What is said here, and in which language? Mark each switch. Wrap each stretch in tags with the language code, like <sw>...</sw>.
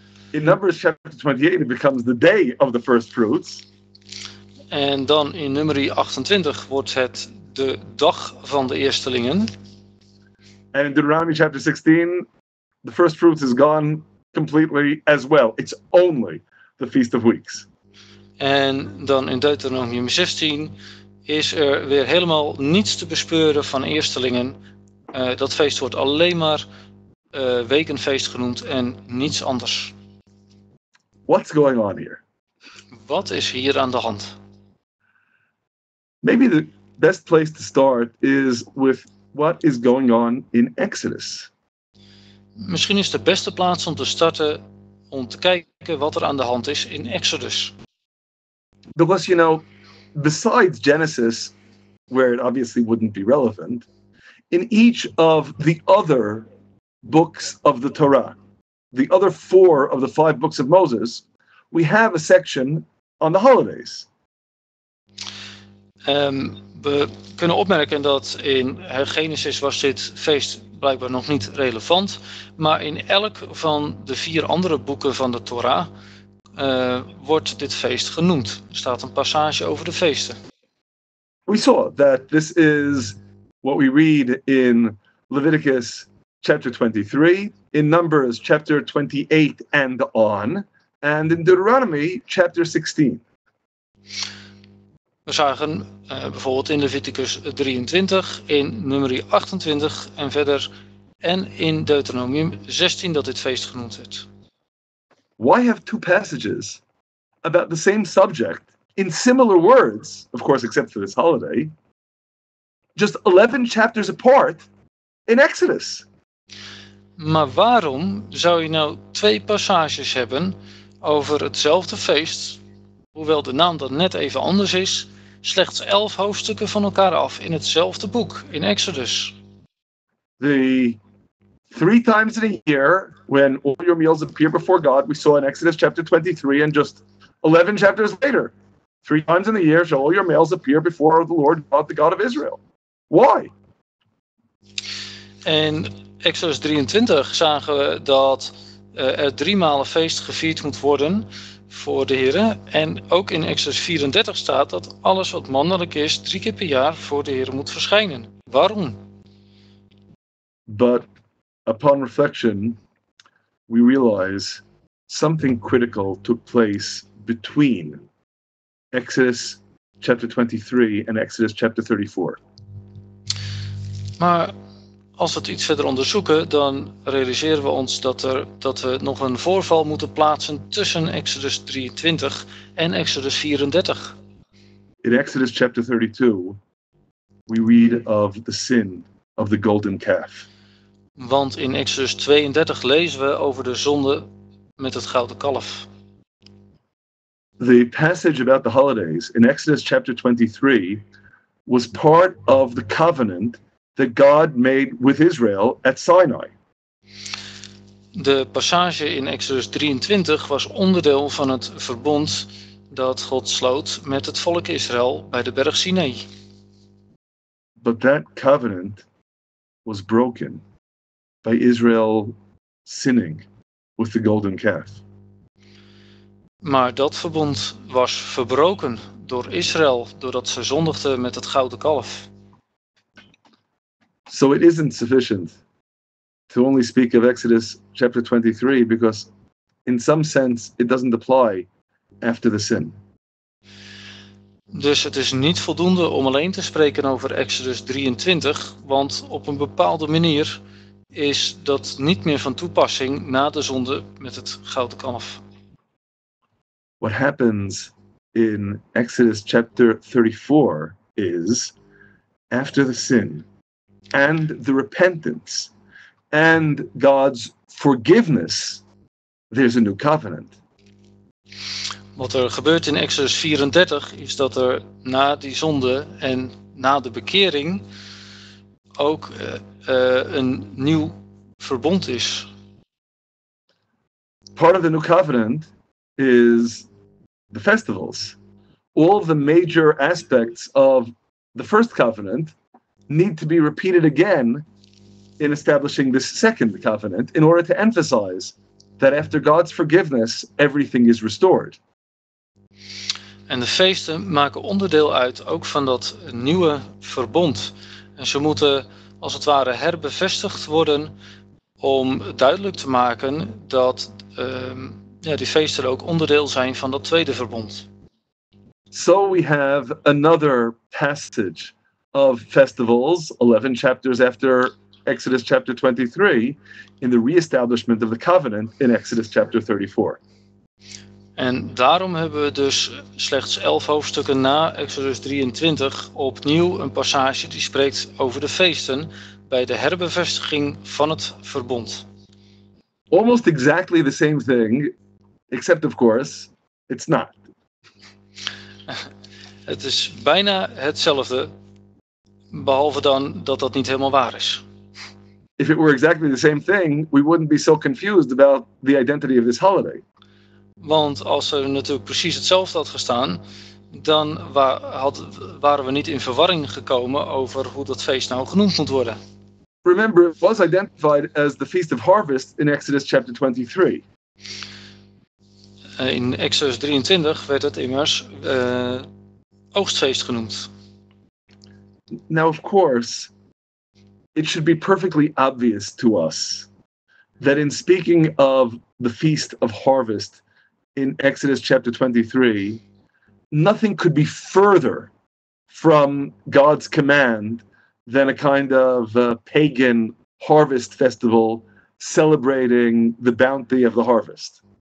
<en>In Numbers chapter 28 it becomes the day of the first fruits.</en> <nl>En dan in Numeri 28 wordt het de dag van de eerstelingen.</nl> <en>En in Deuteronomy chapter 16 the first fruits is gone completely as well. It's only the feast of weeks.</en> <nl>En dan in Deuteronomium 16 is er weer helemaal niets te bespeuren van eerstelingen. Dat feest wordt alleen maar wekenfeest genoemd en niets anders.</nl> <en>What's going on here?</en> <nl>Wat is hier aan de hand?</nl> <en>Maybe the best place to start is with what is going on in Exodus.</en> <nl>Misschien is de beste plaats om te starten om te kijken wat er aan de hand is in Exodus.</nl> <en>Because, you know, besides Genesis, where it obviously wouldn't be relevant, in each of the other books of the Torah, the other four of the five books of Moses, we have a section on the holidays.</en> <nl>We kunnen opmerken dat in Genesis was dit feest blijkbaar nog niet relevant, maar in elk van de vier andere boeken van de Torah wordt dit feest genoemd. Er staat een passage over de feesten.</nl> <en>We saw that this is what we read in Leviticus chapter 23, in Numbers chapter 28 and on, and in Deuteronomy chapter 16.</en> <nl>We zagen bijvoorbeeld in Leviticus 23, in Numeri 28 en verder en in Deuteronomium 16 dat dit feest genoemd werd.</nl> <en>Why have two passages about the same subject in similar words, of course except for this holiday, just 11 chapters apart in Exodus?</en> <nl>Maar waarom zou je nou twee passages hebben over hetzelfde feest, hoewel de naam dan net even anders is, slechts 11 hoofdstukken van elkaar af in hetzelfde boek, in Exodus?</nl> <en>The three times in a year, when all your meals appear before God, we saw in Exodus chapter 23, and just 11 chapters later, three times in the year shall all your meals appear before the Lord God, the God of Israel. Why?</en> <nl>In Exodus 23 zagen we dat er drie malen feest gevierd moet worden voor de Heere. En ook in Exodus 34 staat dat alles wat mannelijk is drie keer per jaar voor de Heere moet verschijnen. Waarom?</nl> <en>But upon reflection, we realize something critical took place between Exodus chapter 23 and Exodus chapter 34.</en> <nl>Maar als we het iets verder onderzoeken, dan realiseren we ons dat we nog een voorval moeten plaatsen tussen Exodus 23 en Exodus 34.</nl> <en>In Exodus chapter 32, we read of the sin of the golden calf.</en> <nl>Want in Exodus 32 lezen we over de zonde met het gouden kalf.</nl> <en>The passage about the holidays in Exodus chapter 23 was part of the covenant that God made with Israel at Sinai.</en> <nl>De passage in Exodus 23 was onderdeel van het verbond dat God sloot met het volk Israël bij de berg Sinai.</nl> <en>But that covenant was broken by Israel sinning with the golden calf.</en> <nl>Maar dat verbond was verbroken door Israël, doordat ze zondigden met het gouden kalf.</nl> <en>So it isn't sufficient to only speak of Exodus chapter 23, because in some sense it doesn't apply after the sin.</en> <nl>Dus het is niet voldoende om alleen te spreken over Exodus 23, want op een bepaalde manier is dat niet meer van toepassing na de zonde met het gouden kalf.</nl> <en>What happens in Exodus chapter 34 is, after the sin and the repentance and God's forgiveness, there's a new covenant.</en> <nl>Wat er gebeurt in Exodus 34 is dat er na die zonde en na de bekering ook een nieuw verbond is.</nl> <en>Part of the new covenant is the festivals. All the major aspects of the first covenant need to be repeated again in establishing this second covenant in order to emphasize that after God's forgiveness, everything is restored.</en> <nl>En de feesten maken onderdeel uit ook van dat nieuwe verbond. En ze moeten als het ware herbevestigd worden om duidelijk te maken dat die feesten ook onderdeel zijn van dat tweede verbond.</nl> <en>So we have another passage of festivals, 11 chapters after Exodus chapter 23, in the re-establishment of the covenant in Exodus chapter 34.</en> <nl>En daarom hebben we dus slechts 11 hoofdstukken na Exodus 23 opnieuw een passage die spreekt over de feesten bij de herbevestiging van het verbond.</nl> <en>Almost exactly the same thing, except of course, it's not.</en> <nl>Het is bijna hetzelfde, behalve dan dat dat niet helemaal waar is.</nl> <en>If it were exactly the same thing, we wouldn't be so confused about the identity of this holiday.</en> <nl>Want als er natuurlijk precies hetzelfde had gestaan, dan waren we niet in verwarring gekomen over hoe dat feest nou genoemd moet worden.</nl> <en>Remember, it was identified as the Feast of Harvest in Exodus chapter 23.</en> <nl>In Exodus 23 werd het immers oogstfeest genoemd.</nl> <en>Now of course, it should be perfectly obvious to us that in speaking of the Feast of Harvest in Exodus chapter 23, nothing could be further from God's command than a kind of a pagan harvest festival celebrating the bounty of the harvest.</en>